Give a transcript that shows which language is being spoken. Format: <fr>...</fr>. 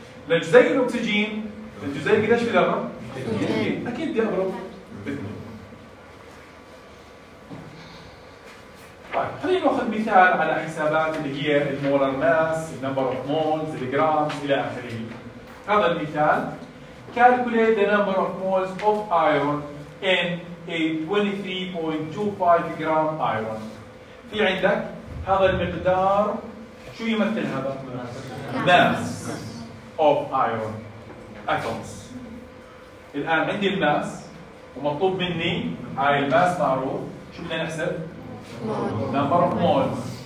<ar>لجزيء الأكسجين الجزيء قديش في الأرقام؟ أكيد دي أبرو بإثنين. طيب خلينا نأخذ مثال على حسابات اللي هي المولر ماس، النمبر أوف مولز، الجرام إلى آخره.</ar> <en>هذا المثال calculate the number of moles of iron in a 23.25 gram iron.</en> <ar>في عندك هذا المقدار شو يمثل هذا؟</ar> <en>mass of iron atoms.</en> <ar>الآن عندي الماس ومطلوب مني هاي الماس معروف، شو بدنا نحسب؟ number of moles.</ar>